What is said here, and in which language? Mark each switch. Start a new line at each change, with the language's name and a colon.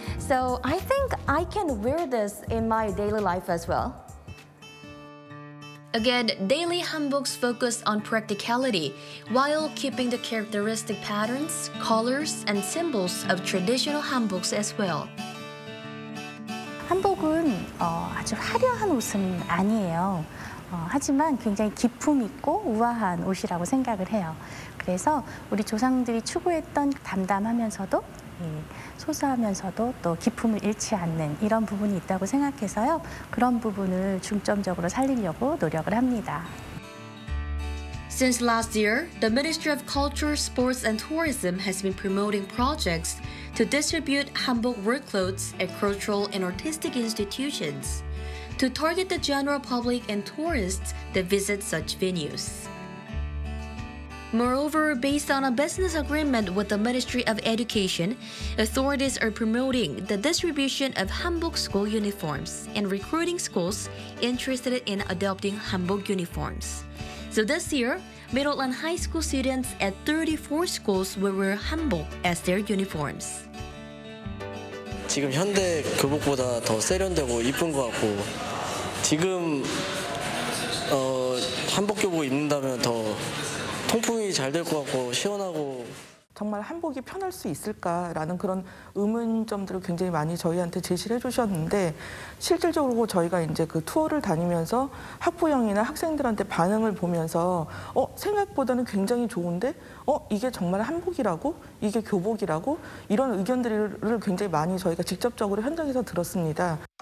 English: So I think I can wear this in my daily life as well. Again, daily hanboks focus on practicality while keeping the characteristic patterns, colors, and symbols of traditional hanboks as well.
Korean: 한복은 아주 화려한 옷은 아니에요. 하지만 굉장히 기품 있고 우아한 옷이라고 생각을 해요. 그래서 우리 조상들이 추구했던 담담하면서도 소소하면서도 또 기품을 잃지 않는 이런 부분이 있다고 생각해서요. 그런 부분을 중점적으로 살리려고 노력을 합니다.
English: Since last year, the Ministry of Culture, Sports and Tourism has been promoting projects to distribute hanbok work clothes at cultural and artistic institutions to target the general public and tourists that visit such venues. Moreover, based on a business agreement with the Ministry of Education, authorities are promoting the distribution of hanbok school uniforms and recruiting schools interested in adopting hanbok uniforms. So this year, middle and high school students at 34 schools will wear hanbok as their uniforms.
Korean: 지금 현대 교복보다 더 세련되고 이쁜 것 같고 지금 한복 교복 입는다면 더 통풍이 잘 될 것 같고 시원하고 정말 한복이 편할 수 있을까라는 그런 의문점들을 굉장히 많이 저희한테 제시를 해주셨는데 실질적으로 저희가 이제 그 투어를 다니면서 학부형이나 학생들한테 반응을 보면서 생각보다는 굉장히 좋은데 이게 정말 한복이라고 이게 교복이라고 이런 의견들을 굉장히 많이 저희가 직접적으로 현장에서 들었습니다.